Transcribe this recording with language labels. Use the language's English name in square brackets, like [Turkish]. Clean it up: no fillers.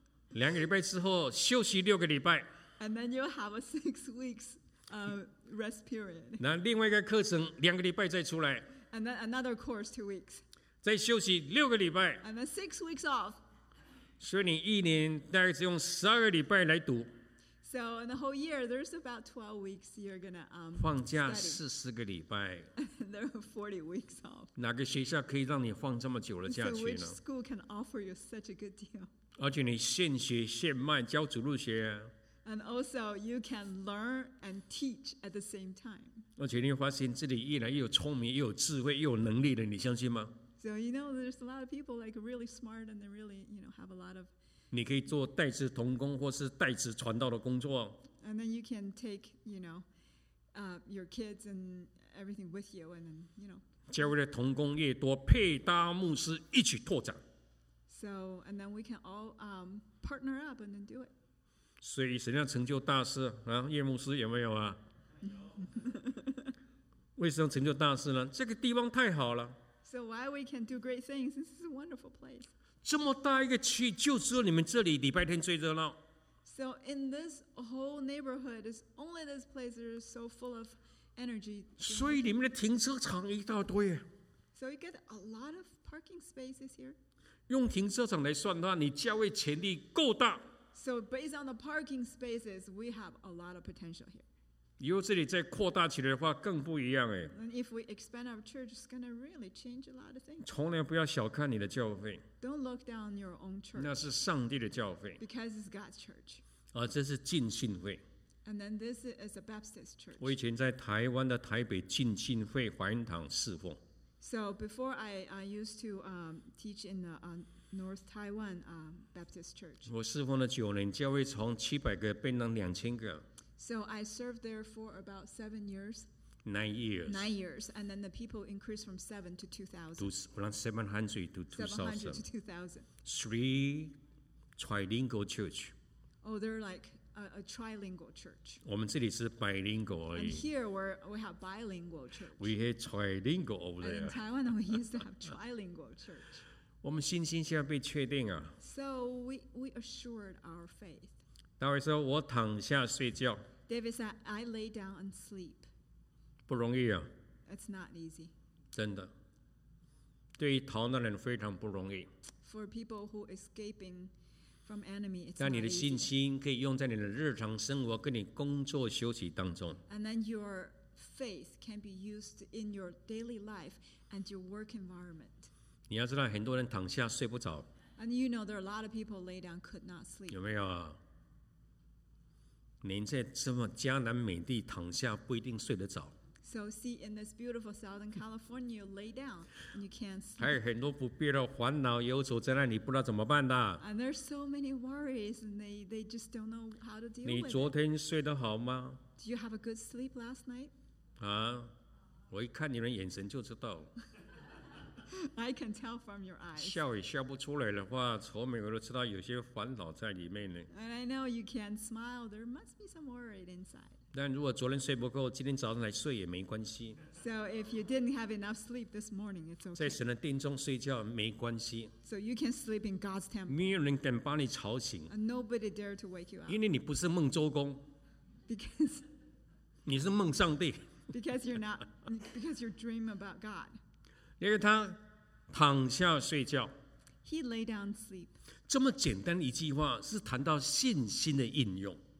[Chinese] 两个礼拜之后休息六个礼拜。 [English] And then you'll have a 6 weeks. Rest period. [Chinese] 那另外一个课程两个礼拜再出来。 [English] And then another course 2 weeks. [Chinese] 再休息六个礼拜。 [English] And then 6 weeks off. [Chinese] 所以你一年大概只用十二个礼拜来读。 [English] So in the whole year, there's about 12 weeks you're gonna study. [Chinese] 放假四十个礼拜。 [English] There are 40 weeks off. [Chinese] 哪个学校可以让你放这么久的假期呢？ [English] So which school can offer you such a good deal? [Chinese] 而且你现学现卖教主路学啊。 [English] And also, you can learn and teach at the same time. [Chinese] 而且你会发现这里越来越有聪明，又有智慧，又有能力的，你相信吗？ [English] So you know, there's a lot of people like really smart and they really, you know, have a lot of. [Chinese] 你可以做代职同工或是代职传道的工作。 [English] And then you can take, you know, your kids and everything with you, and then you know. [Chinese] 教会的同工越多，配搭牧师一起拓展。 [English] So and then we can all partner up and then do it. [Chinese] 所以神要成就大事啊，叶牧师有没有啊？为什么成就大事呢？这个地方太好了。 [English] So why we can do great things? This is a wonderful place. [Chinese] 这么大一个区，就只有你们这里礼拜天最热闹。 [English] So in this whole neighborhood, it's only this place that is so full of energy. [Chinese] 所以你们的停车场一大堆。 [English] So you get a lot of parking spaces here. [Chinese] 用停车场来算的话，你教会潜力够大。 [English] So based on the parking spaces, we have a lot of potential here. [Chinese] 以后这里再扩大起来的话，更不一样哎。 [English] And if we expand our church, it's going to really change a lot of things. [Chinese] 从来不要小看你的教会。 [English] Don't look down your own church. [Chinese] 那是上帝的教会。 [English] Because it's God's church. [Chinese] 啊，这是浸信会。 [English] And then this is a Baptist church. [Chinese] 我以前在台湾的台北浸信会华严堂侍奉。 [English] So before I used to teach in the North Taiwan Baptist Church. [Chinese] 我侍奉了九年，教会从七百个变成两千个。 [English] So I served there for about 7 years. 9 years. 9 years, and then the people increased from 7 to 2,000. From 700 to 2,000. 700 to 2,000. Three trilingual church. Oh, they're like a trilingual church. [Chinese] 我们这里是 bilingual. [English] And here we have bilingual church. We have trilingual over there. And in Taiwan, we used to have trilingual church. [Chinese] 我们信心现在被确定啊。 [English] So we assured our faith. [Chinese] 大卫说：“我躺下睡觉。” [English] David said, "I lay down and sleep." [Chinese] 不容易啊。 [English] It's not easy. [Chinese] 真的，对于逃难人非常不容易。 [English] For people who escaping from enemy, it's not easy. [Chinese] 但你的信心可以用在你的日常生活跟你工作休息当中。 [English] And then your faith can be used in your daily life and your work environment. [Chinese] 你要知道很多人躺下睡不着。 [English] And you know there are a lot of people lay down could not sleep. [Chinese] 有没有啊？您在这么加南美地躺下不一定睡得着。 [English] So see in this beautiful Southern California, you lay down and you can't sleep. [Chinese] 还有很多不必要的烦恼忧愁在那里，不知道怎么办的。 [English] And there's so many worries and they just don't know how to deal with it. [Chinese] 你昨天睡得好吗？ [English] Do you have a good sleep last night? [Chinese] 啊，我一看你的眼神就知道。 [English] I can tell from your eyes. [Chinese] 笑也笑不出来的话，愁眉我都知道有些烦恼在里面呢。 [English] And I know you can smile. There must be some worry inside. [Chinese] 但如果昨天睡不够，今天早上来睡也没关系。 [English] So if you didn't have enough sleep this morning, it's okay. [Chinese] 在神的殿中睡觉没关系。 [English] So you can sleep in God's temple. [Chinese] 没有人敢把你吵醒。 [English] And nobody dare to wake you up. [Chinese] 因为你不是梦周公。 [English] Because [Chinese] 你是梦上帝。 [English] because you're not because you dream about God. [Chinese] 因为他躺下睡觉。 [English] He lay down sleep. [Chinese] 这么简单一句话是谈到信心的应用。